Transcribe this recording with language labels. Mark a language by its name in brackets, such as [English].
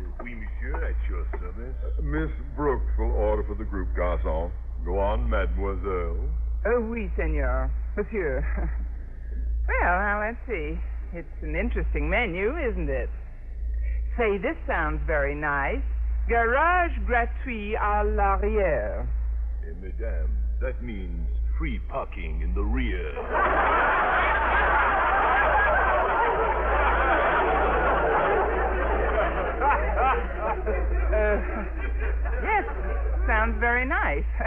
[French] Oui, monsieur, [English] at your service. Miss Brooks will order for the group, garçon. Go on, mademoiselle. Oh, oui, senor. Monsieur. Well, now, let's see. It's an interesting menu, isn't it? Say, this sounds very nice. [French] Garage gratuit à l'arrière. [English] Eh, madame, that means free parking in the rear. Yes, sounds very nice.